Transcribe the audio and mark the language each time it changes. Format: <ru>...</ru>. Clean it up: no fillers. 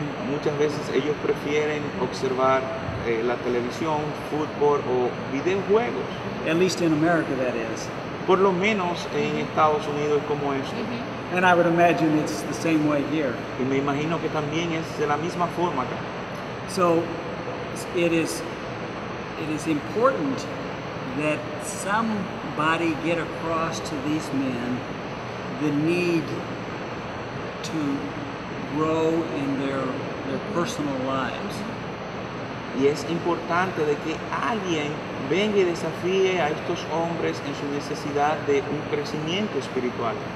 <es>Muchas veces ellos prefieren observar la televisión, fútbol o videojuegos.</es> <en>At least in America, that is.</en> <es>Por lo menos en Estados Unidos como esto.</es> <en>And I would imagine it's the same way here.</en> <es>Y me imagino que también es de la misma forma acá.</es> <en>So it is important that somebody get across to these men the need to grow in their personal lives.</en> <es>Y es importante de que alguien venga y desafíe a estos hombres en su necesidad de un crecimiento espiritual.</es>